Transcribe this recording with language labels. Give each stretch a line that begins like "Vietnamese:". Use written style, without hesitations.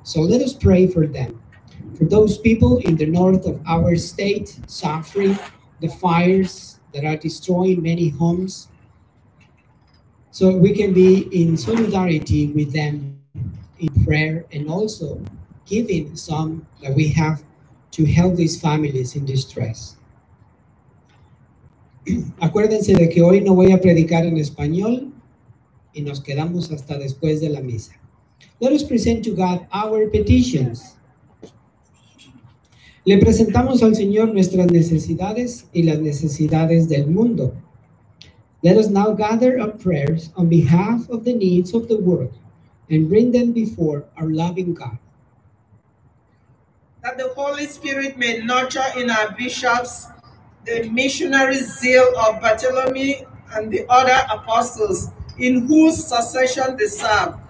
English: So let us pray for them, for those people in the north of our state suffering the fires that are destroying many homes. So we can be in solidarity with them in prayer and also giving some that we have to help these families in distress.
Spanish: Acuérdense de que hoy no voy a predicar en español y nos quedamos hasta después de la misa.
English: Let us present to God our petitions.
Spanish: Le presentamos al Señor nuestras necesidades y las necesidades del mundo.
English: Let us now gather our prayers on behalf of the needs of the world and bring them before our loving God. That the Holy Spirit may nurture in our bishops the missionary zeal of Bartholomew and the other apostles in whose succession they serve.